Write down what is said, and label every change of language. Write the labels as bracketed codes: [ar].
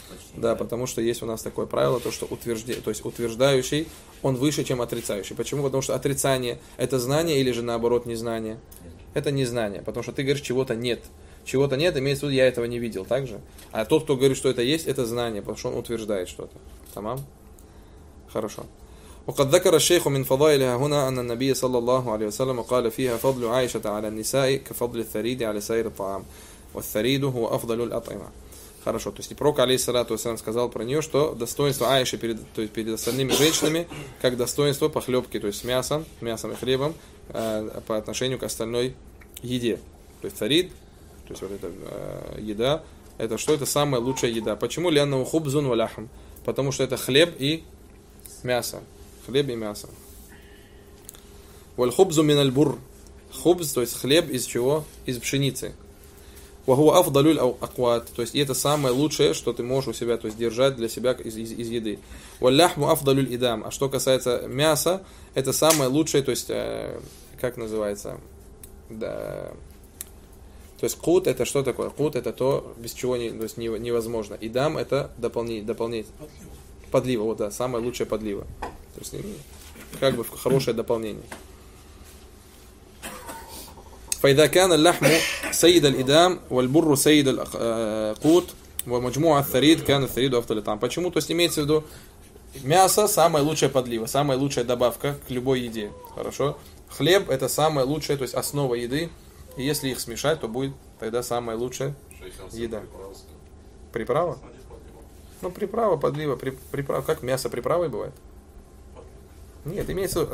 [ru] почти. Да, потому что есть у нас такое правило, то, что то есть утверждающий, он выше, чем отрицающий. Почему? Потому что отрицание – это знание или же наоборот незнание? Нет. Это незнание, потому что ты говоришь, чего-то нет. Чего-то нет, имеется в виду, я этого не видел, так же? А тот, кто говорит, что это есть, это знание, потому что он утверждает что-то. Тамам? Хорошо. [ar] وقد ذكر الشيخ من فضائلها هنا أن النبي صلى الله عليه وسلم قال فيها فضل عائشة على النساء كفضل الثريد على سائر الطعام والثريد هو أفضل الأطعمة. [ru] Хорошо, то есть пророк, алейхиссалату вассалям, сказал про нее, что достоинство Аиши перед остальными женщинами, как достоинство похлебки, то есть мясом и хлебом, по отношению к остальной еде. То есть царид, то есть вот эта еда, это что? Это самая лучшая еда. Почему? [ar] Лянну хубзун валяхм. [ru] Потому что это хлеб и мясо. Хлеб и мясо. [ar] Валь хубзу миналь бур. [ru] Хубз, то есть хлеб из чего? Из пшеницы. [ar] Вахуа афдалюль акват. [ru] То есть, и это самое лучшее, что ты можешь у себя, то есть, держать для себя из еды. [ar] Валяхму афдалюль идам. [ru] А что касается мяса, это самое лучшее, то есть, как называется? Да. То есть, кут это что такое? Кут это то, без чего не, то есть, невозможно. Идам это дополнение. Подлива. Вот, да, самое лучшее подлива. То есть, как бы хорошее дополнение. [ar] فإذا كان اللحم سيد الإدام والبر سيد القوت ومجموع الثريد كان الثريد أفضل الطعام. [ru] Почему? То есть имеется в виду мясо самая лучшая подлива, самая лучшая добавка к любой еде. Хорошо? Хлеб это самая лучшая, то есть основа еды. И если их смешать, то будет тогда самая лучшая еда. Приправа? Ну приправа, подлива, приправа. Как мясо приправой бывает? Нет, имеется в виду.